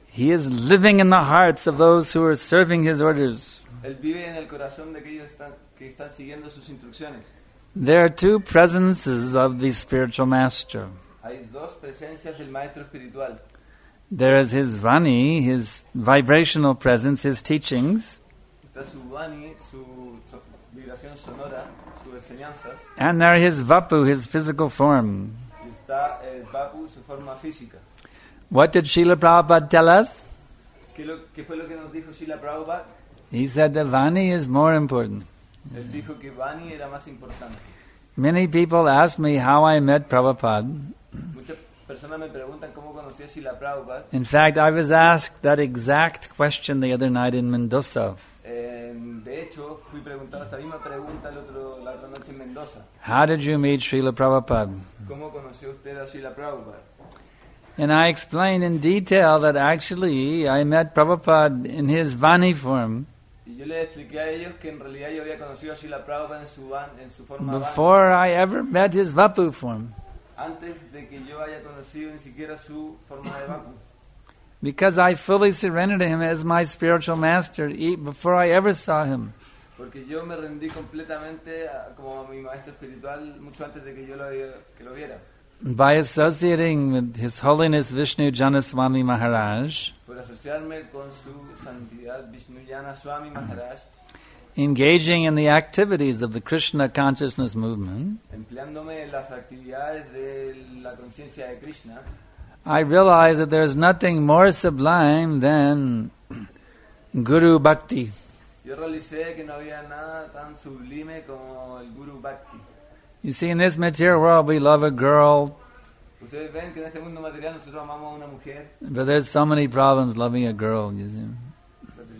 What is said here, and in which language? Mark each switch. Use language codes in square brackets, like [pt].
[en] He is living in the hearts of those who are serving his orders. [es] Él vive en el corazón de aquellos que están siguiendo sus instrucciones. [en] There are two presences of the spiritual master. [es] Hay dos presencias del maestro espiritual. [en] There is his vani, his vibrational presence, his teachings. [es] Está su vani, su vibración sonora, sus enseñanzas. [en] And there is his vapu, his physical form. [es] Está el vapu, su forma física. [en] What did Srila Prabhupada tell us? [es] ¿Qué fue lo que nos dijo Srila Prabhupada? [en] He said the vani is more important. [es] Él dijo que vani era más importante. [en] Many people ask me how I met Prabhupada. [es] Muchas personas me preguntan cómo conocí a Srila Prabhupada. [en] In fact, I was asked that exact question the other night in Mendoza. [es] De hecho, fui preguntado esta misma pregunta la otra noche en Mendoza. [en] How did you meet Srila Prabhupada? [es] ¿Cómo conoció usted a Srila Prabhupada? [en] And I explained in detail that actually I met Prabhupada in his vani form. Before I ever met his vapu form. [es] Antes de que yo haya conocido ni siquiera su forma de vapu. [en] Because I fully surrendered to him as my spiritual master before I ever saw him. [es] Porque yo me rendí completamente como mi maestro espiritual mucho antes de que yo lo viera. [en] By associating with His Holiness Vishnu Jana Swami Maharaj, [es] por asociarme con su santidad Vishnu Jana Swami Maharaj, [en] engaging in the activities of the Krishna consciousness movement, [es] empleándome en las actividades de la conciencia de Krishna, [en] I realize that there is nothing more sublime than Guru Bhakti. [es] Yo realicé que no había nada tan sublime como el Guru Bhakti. [en] You see, in this material world, we love a girl. [es] Ustedes ven que en este mundo material nosotros amamos a una mujer. [en] But there's so many problems loving a girl, you see.